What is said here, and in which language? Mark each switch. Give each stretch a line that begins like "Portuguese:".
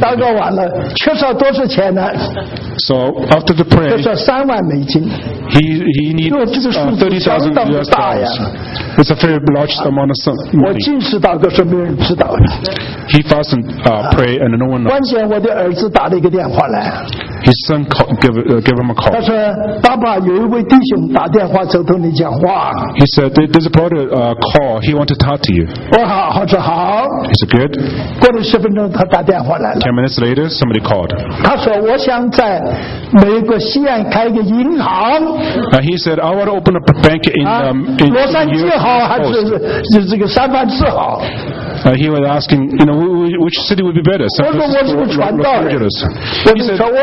Chinese: 祷告完了，缺少多少钱呢？
English: So after the prayer,
Chinese: 缺少三万美金。
English: He needs 30,000 US dollars. It's a very large amount of money.
Chinese: 我进食祷告是没有人知道的。
English: He fasted and prayed, and no one knows.
Chinese: 关键我的儿子打了一个电话来。
English: His son gave him a call.
Chinese: 他说：“爸爸，有一位弟兄打电话想同你讲话。”
English: He said, "There's a brother call. He wanted to talk to you."
Chinese: 我好，好说好。
English: He said, "Good."
Chinese: 过了十分钟，他打电话来了。
English: 10 minutes later, somebody called.
Chinese: 他说：“我想在美国西岸开一个银行。”
English: He said, "I want to open a bank in Los Angeles."
Chinese: 罗杉矶好还是就这个三藩市好？
English: He was asking, you know, which city would be better? San Francisco or Los Angeles?